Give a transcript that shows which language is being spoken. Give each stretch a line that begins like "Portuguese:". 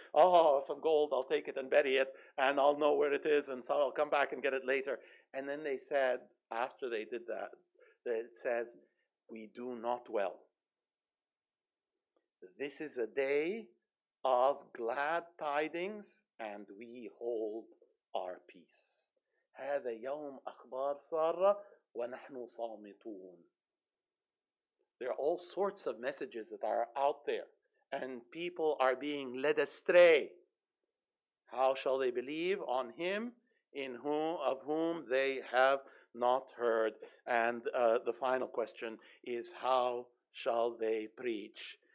English: Oh, some gold, I'll take it and bury it, and I'll know where it is, and so I'll come back and get it later. And then they said, after they did that, that it says, we do not well. This is a day of glad tidings, and we hold our peace.
Arabic: هذا يوم أخبار سارة ونحن صامتون.
English: There are all sorts of messages that are out there, and people are being led astray. How shall they believe on him in whom, of whom they have not heard? And the final question is, how shall they preach